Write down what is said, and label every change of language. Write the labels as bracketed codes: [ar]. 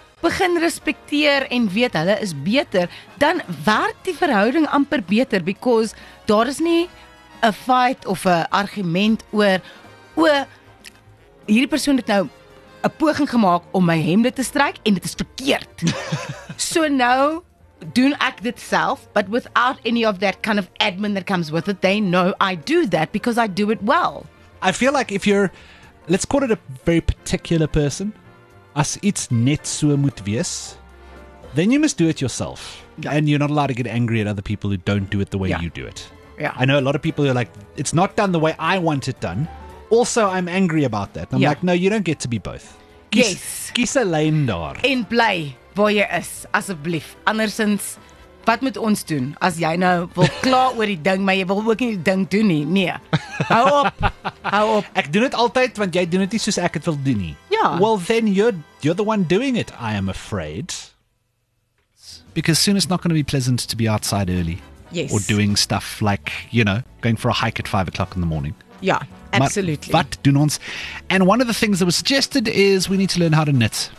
[af] begin respekteer en weet hulle is beter, dan werk die verhouding amper beter, [en] because [af] daar is nie 'n fight of 'n argument oor hierdie persoon het nou 'n poging gemaak om my hemde te stryk en dit is verkeerd. So nou doen ek dit self, [en] but without any of that kind of admin that comes with it, they know I do that because I do it well. I feel like if you're, let's call it a very particular person, as it's [af] net so moet wees, [en] then you must do it yourself. Yeah. And you're not allowed to get angry at other people who don't do it the way you do it. Yeah. I know a lot of people who are like, it's not done the way I want it done. Also, I'm angry about that. I'm like, no, you don't get to be both. [af] Kies [en] a lane [af] daar. En bly waar jy is, asseblief. Andersins, wat moet ons doen? As jy nou wil klaar oor die ding, maar jy wil ook nie die ding doen nie. Nee. Hou op. Ek doen het altyd, want jy doen het nie soos ek het wil doen nie. Ja. [en] Well, then you're the one doing it, I am afraid. Because soon it's not going to be pleasant to be outside early. Yes. Or doing stuff like, you know, going for a hike at 5:00 in the morning. Yeah, absolutely. But do not. And one of the things that was suggested is we need to learn how to knit.